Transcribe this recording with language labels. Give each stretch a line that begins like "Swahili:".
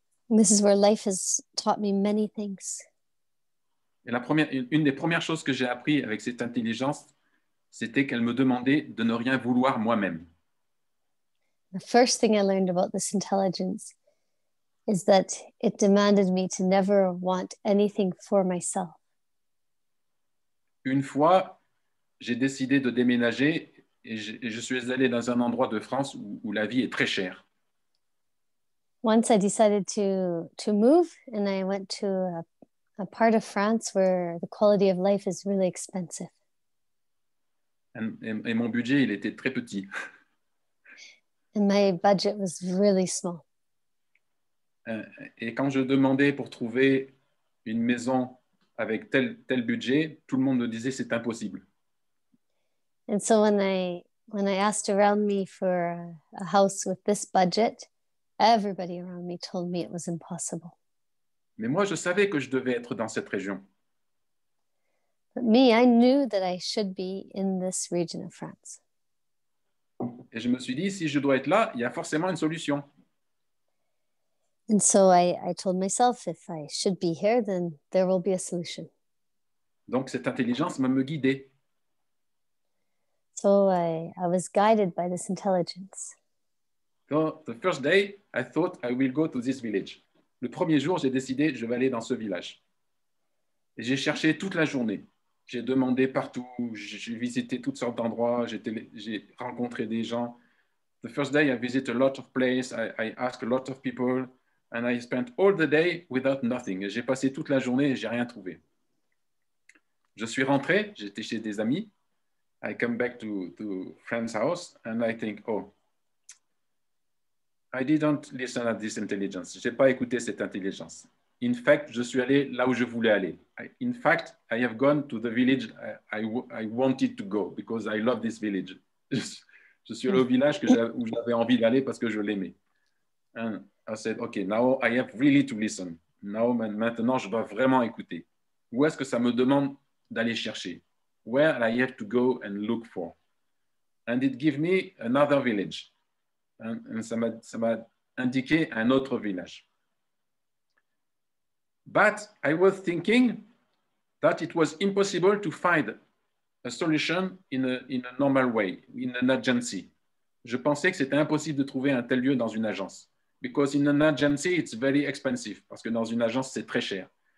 English: And this is where life has taught me many things.
French: Et une des premières choses que j'ai appris avec cette intelligence, c'était qu'elle me demandait de ne rien vouloir moi-même.
English: The first thing I learned about this intelligence is that it demanded me to never want anything for myself.
French: Une fois, j'ai décidé de déménager et je suis allé dans un endroit de France où la vie est très chère.
English: Once I decided to move and I went to a part of France where the quality of life is really expensive.
French: Et mon budget, il était très petit.
English: And my budget was really small.
French: Et quand je demandais pour trouver une maison avec tel budget, tout le monde me disait c'est impossible.
English: And so when I asked around me for a house with this budget, everybody around me told me it was impossible.
French: Mais moi, je savais que je devais être dans cette région.
English: But me, I knew that I should be in this region of France.
French: Et je me suis dit, si je dois être là, il y a forcément une solution.
English: And so I told myself, if I should be here, then there will be a solution.
French: Donc cette intelligence m'a guidé.
English: So I was guided by this intelligence. So the first day, I thought I will go to this village.
French: Le premier jour, j'ai décidé, je vais aller dans ce village. Et j'ai cherché toute la journée. J'ai demandé partout, j'ai visité toutes sortes d'endroits, j'ai rencontré des gens.
English: The first day, I visited a lot of places, I asked a lot of people. And I spent all the day without nothing.
French: J'ai passé toute la journée et j'ai rien trouvé. Je suis rentré, j'étais chez des amis.
English: I come back to friend's house and I think, oh, I didn't listen to this intelligence.
French: J'ai pas écouté cette intelligence.
English: In fact,
French: je suis allé là où je voulais aller.
English: I have gone to the village I wanted to go because I love this village.
French: Je suis allé au village où j'avais envie d'aller parce que je l'aimais.
English: And I said, okay, now I have really to listen. Now,
French: maintenant, je dois vraiment écouter. Où est-ce que ça me demande d'aller chercher?
English: Where I have to go and look for? And it gave me another village. And
French: ça m'a indiqué un autre village.
English: But I was thinking that it was impossible to find a solution in a normal way, in an agency.
French: Je pensais que c'était impossible de trouver un tel lieu dans une agence.
English: Because in an agency, it's very expensive.
French: Parce que dans une agence, c'est très cher.